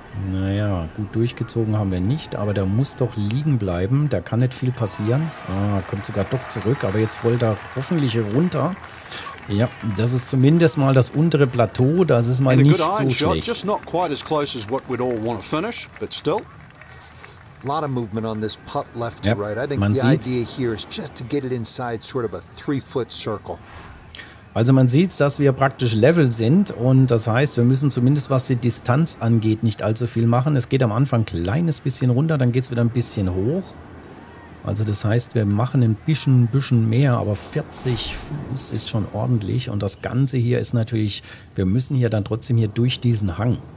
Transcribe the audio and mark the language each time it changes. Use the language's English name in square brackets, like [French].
[German] Naja, gut durchgezogen haben wir nicht, aber der muss doch liegen bleiben. Da kann nicht viel passieren. Ah, kommt sogar doch zurück, aber jetzt rollt er hoffentlich runter. Ja, das ist zumindest mal das untere Plateau. Das ist mal nicht so schlecht. [English] Just not quite as close as what we'd all want to finish, but still. Lot of movement on this putt left to right. I think the idea here is just to get it inside sort of a 3-foot circle. [German] Also man sieht, dass wir praktisch level sind und das heißt, wir müssen zumindest was die Distanz angeht nicht allzu viel machen. Es geht am Anfang ein kleines bisschen runter, dann geht es wieder ein bisschen hoch. Also das heißt, wir machen ein bisschen mehr, aber 40 Fuß ist schon ordentlich und das Ganze hier ist natürlich, wir müssen hier dann trotzdem hier durch diesen Hang.